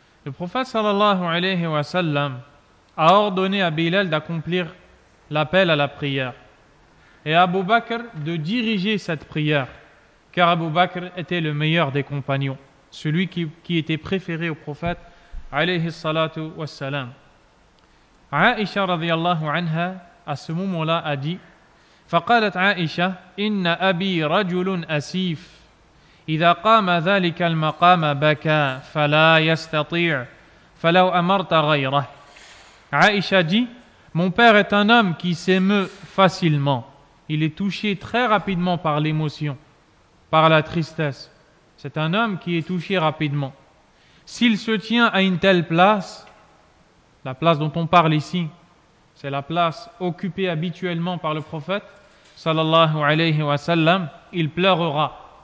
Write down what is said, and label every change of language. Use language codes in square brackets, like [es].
[fr] Le prophète sallallahu alayhi wa sallam a ordonné à Bilal d'accomplir l'appel à la prière et à Abu Bakr de diriger cette prière, car Abu Bakr était le meilleur des compagnons, celui qui était préféré au prophète alayhi salatu wassalam. Aisha radiallahu anha à ce moment-là a dit [ar] فقالت عائشة إن أبي رجل أسيف إذا قام ذلك المقام بكى فلا يستطيع فلو أمرت غيره. [fr] عائشة dit, mon père est un homme qui s'émeut facilement. Il est touché très rapidement par l'émotion, par la tristesse. C'est un homme qui est touché rapidement. S'il se tient à une telle place, la place dont on parle ici, c'est la place occupée habituellement par le prophète sallallahu alayhi wa sallam, il pleurera.